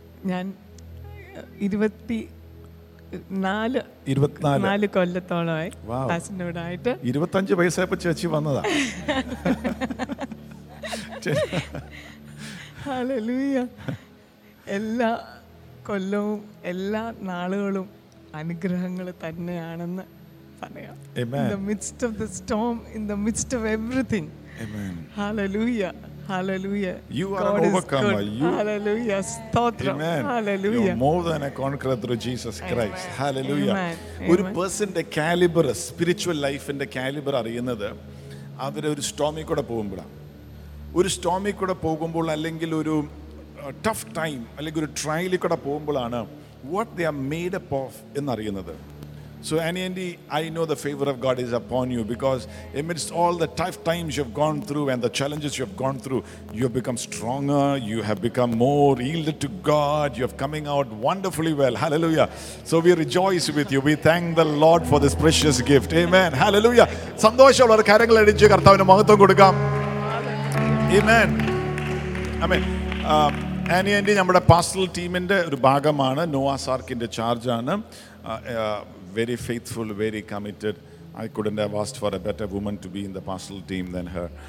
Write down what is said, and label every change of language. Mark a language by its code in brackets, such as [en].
[ml] ഞാൻ 24 കൊല്ലത്തോളമായി പാസ്റ്ററിനോടായിട്ട്. 25 വയസ്സായപ്പോൾ ചേച്ചി വന്നതാ. ഹല്ലേലൂയ. എല്ലാ കൊല്ലവും എല്ലാ നാളുകളും അനുഗ്രഹങ്ങൾ തന്നെയാണെന്ന് പറയാം. [en] Amen. In the midst of the storm, in the midst of everything. Amen. Hallelujah. Hallelujah. You are God an overcomer. You, hallelujah. Stotram. Amen. Hallelujah. You're more than a conqueror through Jesus Christ. Amen. Hallelujah. [ml] ഒരു പേഴ്സന്റെ calibre, spiritual ലൈഫിന്റെ calibre അറിയുന്നത് അവരെ ഒരു stormy കൂടെ പോകുമ്പോഴാണ്. ഒരു stormy കൂടെ പോകുമ്പോൾ, അല്ലെങ്കിൽ ഒരു ടഫ് ടൈം, അല്ലെങ്കിൽ ഒരു ട്രയലിൽ കൂടെ പോകുമ്പോഴാണ് [en] what they are made up of [ml] എന്നറിയുന്നത്. [en] So Annie, I know the favor of God is upon you, because amidst all the tough times you've gone through and the challenges you've gone through, you've become stronger, you have become more yielded to God, you've coming out wonderfully well. Hallelujah. So we rejoice with you. We thank the Lord for this precious gift. Amen. Hallelujah. [ml] സന്തോഷമുള്ള ഒരു കാര്യങ്ങൾ എടുത്ത് കർത്താവിന് മഹത്വം കൊടുക്കാം. [en] Amen. Amen. Annie and I, [ml] നമ്മുടെ pastel ടീമിന്റെ ഒരു ഭാഗമാണ്. നോവാ സാർക്കിന്റെ ചാർജ് ആണ്. [en] Very faithful, very committed. I couldn't have asked for a better woman to be in the pastoral team than her.